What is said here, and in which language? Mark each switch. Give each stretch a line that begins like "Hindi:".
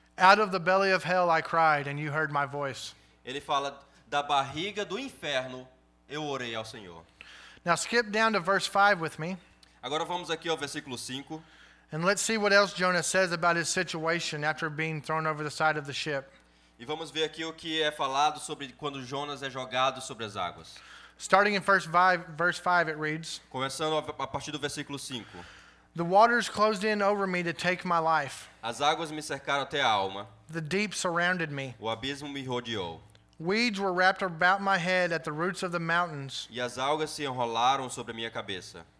English: Out of the belly of hell I cried, and you heard my voice.
Portuguese: Ele fala da barriga do inferno. Eu orei ao Senhor.
English: Now skip down to verse 5 with me.
Portuguese: Agora vamos aqui ao versículo 5.
English: And let's see what else Jonah says about his situation after being thrown over the side of the ship.
Portuguese: E vamos ver aqui o que é falado sobre quando Jonas é jogado sobre as águas.
English: Starting in verse 5 it reads.
Portuguese: Começando a partir do versículo 5.
English: The waters closed in over me to take my life.
Portuguese: As águas me cercaram até a alma.
English: The deep surrounded me.
Portuguese: O abismo me rodeou.
English: Weeds were wrapped about my head at the roots of the mountains.
Portuguese: E as algas se enrolaram sobre a minha cabeça.